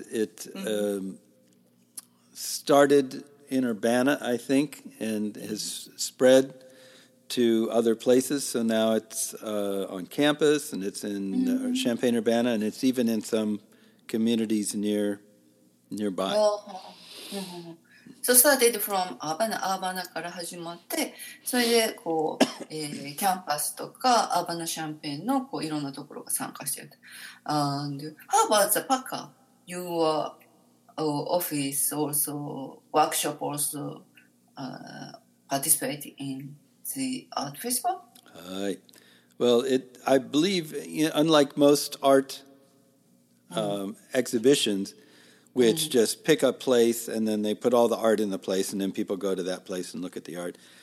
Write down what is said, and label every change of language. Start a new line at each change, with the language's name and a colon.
English: It started in Urbana, I think, and has spread to other places. So now it's on campus, and it's in Champaign-Urbana, and it's even in some communities nearby.
Japanese: So started from Urbana から始まって、それでこう、キャンパスとかアーバナシャンペーンのこういろんなところが参加してる。
English: And how about the PACA? Your office also, workshop also participate in the art festival? Well, I believe, unlike most art exhibitions, which just pick a place and then they put all the art in the place and then people go to that place and look at the art.